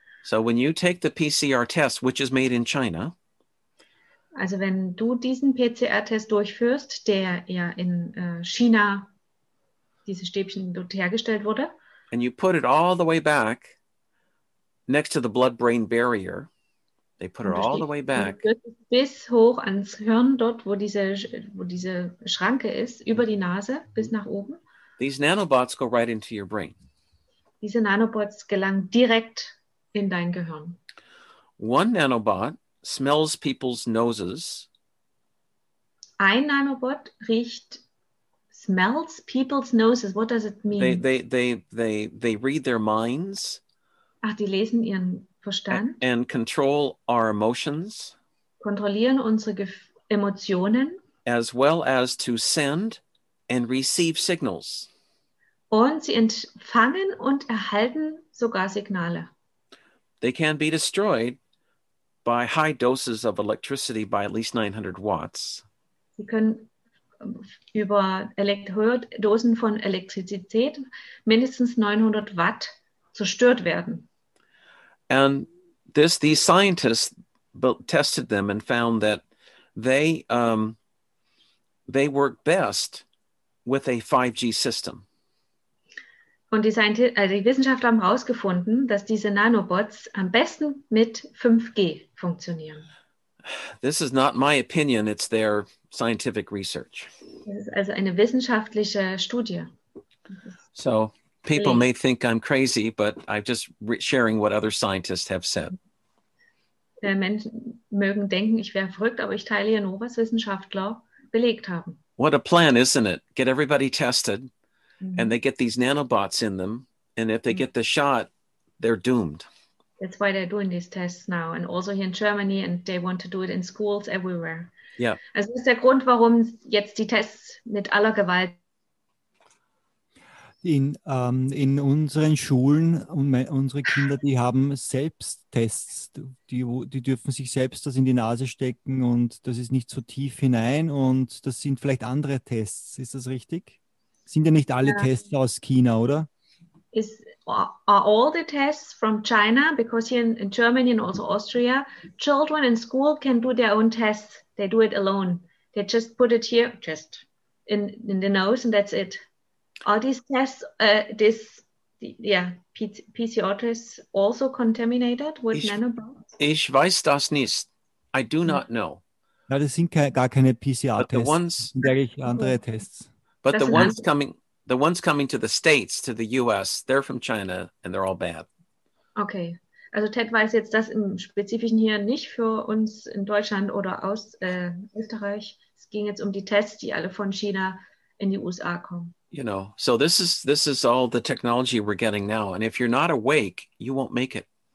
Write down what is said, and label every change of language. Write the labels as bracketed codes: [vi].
[en] So when you take the PCR test, which is made in China. [de] Also wenn du diesen PCR-Test durchführst, der ja in China, diese Stäbchen dort hergestellt wurde. [en] And you put it all the way back. Next to the blood-brain barrier, they put it all the way back. [de] Bis hoch ans Hirn, dort, wo diese Schranke ist, über die Nase, bis nach oben. [en] These nanobots go right into your brain. [de] Diese Nanobots gelangen direkt in dein Gehirn. [en] One nanobot smells people's noses. Ein Nanobot smells people's noses. What does it mean? They read their minds. [de] Ach, die lesen ihren Verstand. [en] And control our emotions. [de] Kontrollieren unsere Emotionen. [en] As well as to send and receive signals. [de] Und sie empfangen und erhalten sogar Signale. [en] They can be destroyed by high doses of electricity by at least 900 watts. [de] Sie können über Dosen von Elektrizität mindestens 900 Watt zerstört werden. [en] And these scientists, tested them and found that they work best with a 5G system. [de] Und die, die Wissenschaftler haben herausgefunden, dass diese Nanobots am besten mit 5G funktionieren. [en] This is not my opinion, it's their scientific research. [de] Das ist also eine wissenschaftliche Studie. [en] So people may think I'm crazy, but I'm just sharing what other scientists have said. [de] Menschen mögen denken, ich wäre verrückt, aber ich teile hier nur, was Wissenschaftler belegt haben. [en] What a plan, isn't it? Get everybody tested, and they get these nanobots in them, and if they get the shot, they're doomed. That's why they're doing these tests now, and also here in Germany, and they want to do it in schools everywhere. Yeah. [de] Also ist der Grund, warum jetzt die Tests mit aller Gewalt In unseren Schulen, unsere Kinder, die haben Selbsttests, die dürfen sich selbst das in die Nase stecken und das ist nicht so tief hinein und das sind vielleicht andere Tests, ist das richtig? Sind ja nicht alle Tests aus China, oder? [en] Are all the tests from China, because here in Germany and also Austria, children in school can do their own tests, they do it alone. They just put it here, just in the nose and that's it. Are these tests, PCR tests also contaminated with nanobots? [de] Ich weiß das nicht. [en] I do not know. [de] Ja, das sind gar keine PCR-Tests. [en] But the ones, [de] andere Tests. [en] But the ones coming to the States, to the US, they're from China and they're all bad. Okay. [de] Also Ted weiß jetzt das im Spezifischen hier nicht für uns in Deutschland oder aus Österreich. Es ging jetzt um die Tests, die alle von China in die USA kommen. [en] You know, so this is all the technology we're getting now. And if you're not awake, you won't make it.